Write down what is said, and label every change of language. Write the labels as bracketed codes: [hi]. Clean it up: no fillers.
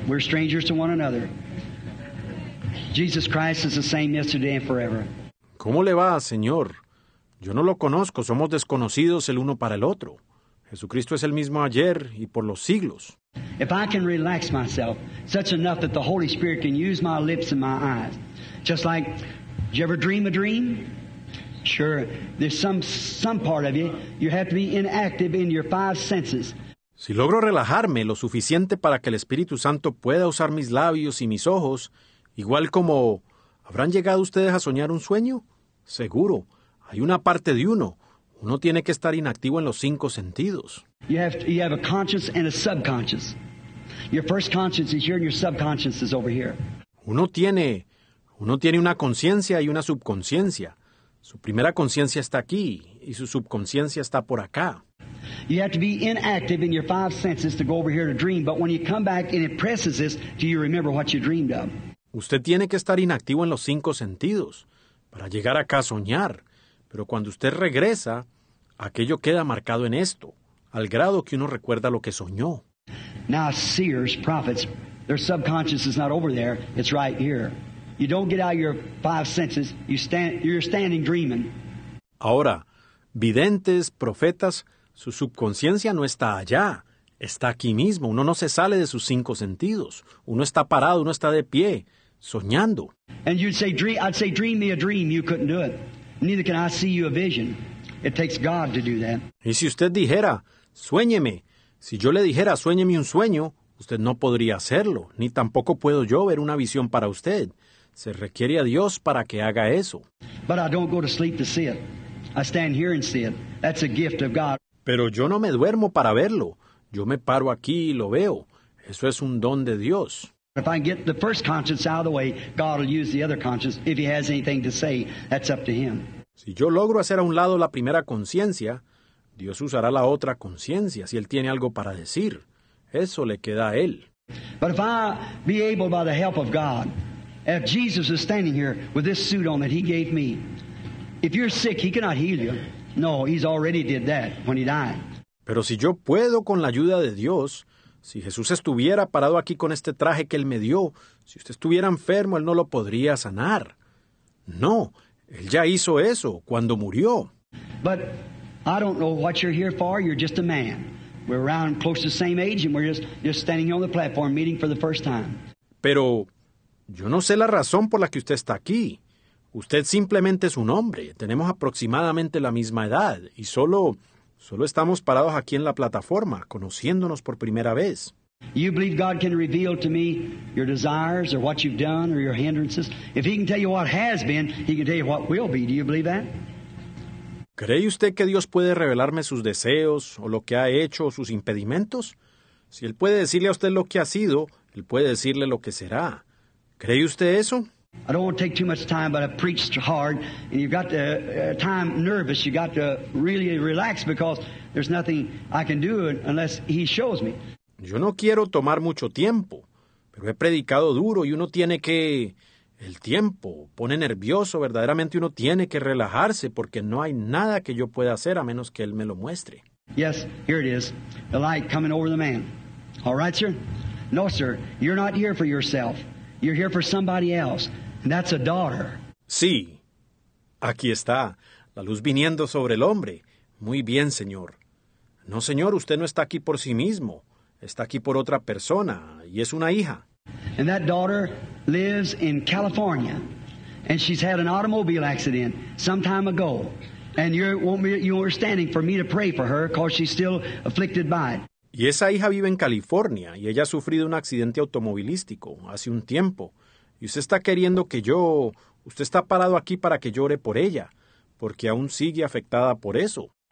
[en] We're strangers to one another. Jesus Christ is the same yesterday and forever. [es] ¿Cómo le va, señor? Yo no lo conozco. Somos desconocidos el uno para el otro. Jesucristo es el mismo ayer y por los siglos. [en] If I can relax myself such enough that the Holy Spirit can use my lips and my eyes, just like, did you ever dream a dream? Sure. There's some part of you. You have to be inactive in your five senses. [es] Si logro relajarme lo suficiente para que el Espíritu Santo pueda usar mis labios y mis ojos, igual como, ¿habrán llegado ustedes a soñar un sueño? Seguro, hay una parte de uno. Uno tiene que estar inactivo en los cinco sentidos. [en] You have a conscious and a subconscious. Your first conscience is here and your subconscious is over here. [es] Uno tiene una conciencia y una subconsciencia. Su primera conciencia está aquí y su subconsciencia está por acá. [en] You have to be inactive in your five senses to go over here to dream, but when you come back and it presses this, do you remember what you dreamed of? [es] Usted tiene que estar inactivo en los cinco sentidos para llegar acá a soñar, pero cuando usted regresa, aquello queda marcado en esto, al grado que uno recuerda lo que soñó. [en] Now, seers, prophets, their subconscious is not over there, it's right here. You don't get out of your five senses, you're standing dreaming. [es] Ahora, videntes, profetas, su subconsciencia no está allá, está aquí mismo. Uno no se sale de sus cinco sentidos. Uno está parado, uno está de pie, soñando. [en] And you'd say, dream me a dream. You couldn't do it. Neither can I see you a vision. It takes God to do that. [es] Y si usted dijera, sueñeme. Si yo le dijera, sueñeme un sueño, usted no podría hacerlo. Ni tampoco puedo yo ver una visión para usted. Se requiere a Dios para que haga eso. [en] But I don't go to sleep to see it. I stand here and see it. That's a gift of God. [es] Pero yo no me duermo para verlo. Yo me paro aquí y lo veo. Eso es un don de Dios. [en] If I get the first conscience out of the way, God will use the other conscience. If he has anything to say, that's up to him. [es] Si yo logro hacer a un lado la primera conciencia, Dios usará la otra conciencia. Si él tiene algo para decir, eso le queda a él. [en] But if I be able by the help of God, if Jesus is standing here with this suit on that he gave me, if you're sick, he cannot heal you. No, he's already did that when he died. [es] Pero si yo puedo con la ayuda de Dios, si Jesús estuviera parado aquí con este traje que él me dio, si usted estuviera enfermo, él no lo podría sanar. No, él ya hizo eso cuando murió. [en] But I don't know what you're here for. You're just a man. We're around close to the same age, and we're just standing here on the platform meeting for the first time. [es] Pero yo no sé la razón por la que usted está aquí. Usted simplemente es un hombre. Tenemos aproximadamente la misma edad y solo estamos parados aquí en la plataforma, conociéndonos por primera vez. [en] You believe God can reveal to me your desires or what you've done or your hindrances? If he can tell you what has been, he can tell you what will be. Do you believe that? [es] ¿Cree usted que Dios puede revelarme sus deseos o lo que ha hecho o sus impedimentos? Si él puede decirle a usted lo que ha sido, él puede decirle lo que será. ¿Cree usted eso? [en] I don't want to take too much time, but I preached hard, and you've got to time nervous. You got to really relax because there's nothing I can do unless he shows me. [es] Yo no quiero tomar mucho tiempo, pero he predicado duro y uno tiene que El tiempo pone nervioso. Verdaderamente uno tiene que relajarse porque no hay nada que yo pueda hacer a menos que él me lo muestre. [en] Yes, here it is. The light coming over the man. All right, sir? No, sir. You're not here for yourself. You're here for somebody else. And that's a daughter. [es] Sí. Aquí está. La luz viniendo sobre el hombre. Muy bien, señor. No, señor, usted no está aquí por sí mismo. Está aquí por otra persona, y es una hija. [en] And that daughter lives in California, and she's had an automobile accident some time ago. And you're standing for me to pray for her, because she's still afflicted by it. [es] Y esa hija vive en California, y ella ha sufrido un accidente automovilístico hace un tiempo. Y usted está queriendo que yo... Usted está parado aquí para que llore por ella, porque aún sigue afectada por eso.